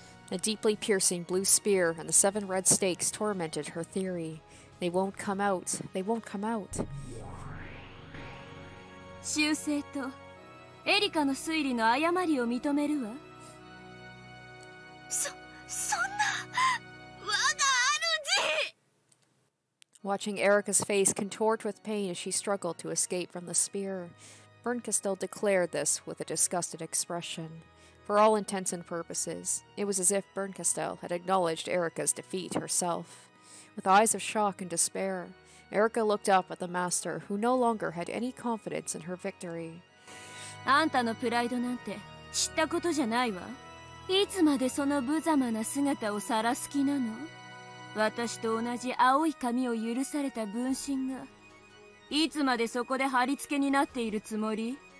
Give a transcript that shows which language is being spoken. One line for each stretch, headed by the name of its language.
English: A deeply piercing blue spear and the seven red stakes tormented her theory. They won't come out. They won't come out.
Japanese: 修正とエリカの推理の誤りを認めるわ。そんな我が主。
English: Watching Erica's face contort with pain as she struggled to escape from the spear, Bernkastel declared this with a disgusted expression. For all intents and purposes, it was as if Bernkastel had acknowledged Erica's defeat herself. With eyes of shock and despair, Erica looked up at the master, who no longer had any confidence in her victory.
Japanese: あんたのプライドなんて知ったことじゃないわ。いつまでその無様な姿を晒す気なの？私と同じ青い髪を許された分身が、いつまでそこで貼り付けになっているつもり？